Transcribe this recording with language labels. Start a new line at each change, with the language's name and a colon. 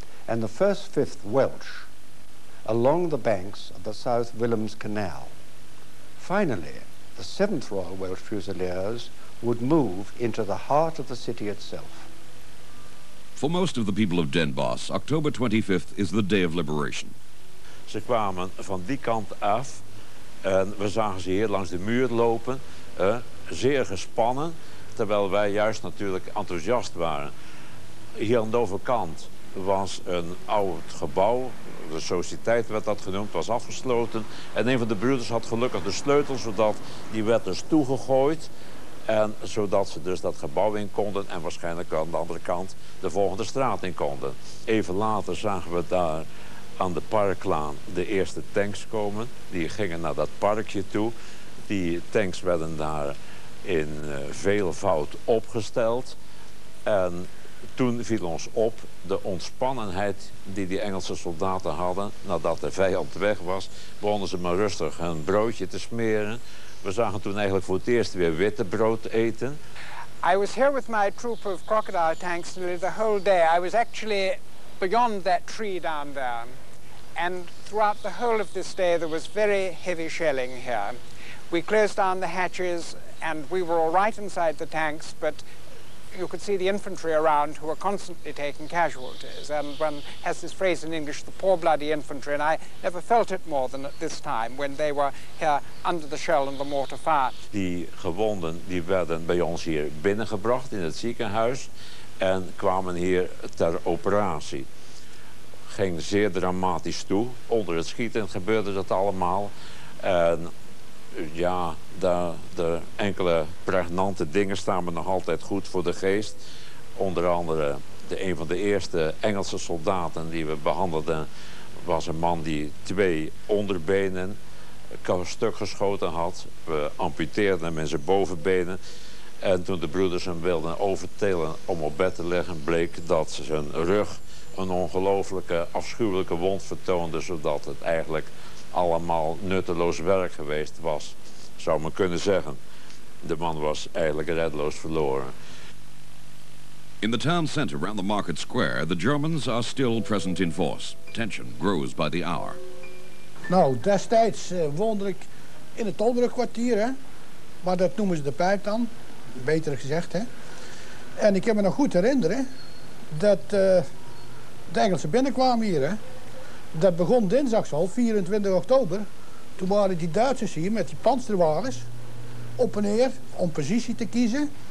English: and the 1st 5th Welsh along the banks of the South Willems Canal. Finally, the 7th Royal Welsh Fusiliers would move into the heart of the city itself. For most of the people of Den Bosch, October 25th is the day of liberation.
Dutch: Ze kwamen van die kant af en we zagen ze hier langs de muur lopen, zeer gespannen, terwijl wij juist natuurlijk enthousiast waren. Hier aan de overkant was een oud gebouw, de sociëteit werd dat genoemd, was afgesloten. En een van de broeders had gelukkig de sleutel, zodat die werd dus toegegooid. En zodat ze dus dat gebouw in konden en waarschijnlijk aan de andere kant de volgende straat in konden. Even later zagen we daar aan de Parklaan de eerste tanks komen. Die gingen naar dat parkje toe. Die tanks werden daar in veelvoud opgesteld. En toen viel ons op de ontspannenheid die die Engelse soldaten hadden. Nadat de vijand weg was, begonnen ze maar rustig hun broodje te smeren. We zagen toen eigenlijk voor het eerst weer witte brood eten.
English: I was here with my troop of crocodile tanks nearly the whole day. I was actually beyond that tree down there. And throughout the whole of this day there was very heavy shelling here. We closed down the hatches and we were all right inside the tanks, but you could see the infantry around who were constantly taking casualties. And one has this phrase in English, the poor bloody infantry, and I never felt it more than at this time when they were here under the shell and the mortar fire.
Dutch: Die gewonden die werden bij ons hier binnengebracht in het ziekenhuis en kwamen hier ter operatie. Ging zeer dramatisch toe. Onder het schieten gebeurde dat allemaal. En ja, de enkele pregnante dingen staan me nog altijd goed voor de geest. Onder andere, een van de eerste Engelse soldaten die we behandelden was een man die twee onderbenen stuk geschoten had. We amputeerden hem in zijn bovenbenen. En toen de broeders hem wilden overtillen om op bed te liggen, bleek dat zijn rug een ongelooflijke, afschuwelijke wond vertoonde, zodat het eigenlijk allemaal nutteloos werk geweest was, zou men kunnen zeggen. De man was eigenlijk reddeloos verloren.
English: In the town center around the market square, the Germans are still present in force. Tension grows by the hour.
Dutch: Nou, destijds woonde ik in het Tolbrugkwartier, hè? Maar dat noemen ze de Pijp dan, beter gezegd, hè? En ik heb me nog goed herinneren dat de Engelsen binnenkwamen hier, hè? Dat begon dinsdags al, 24 oktober. Toen waren die Duitsers hier met die panzerwagens op en neer om positie te kiezen.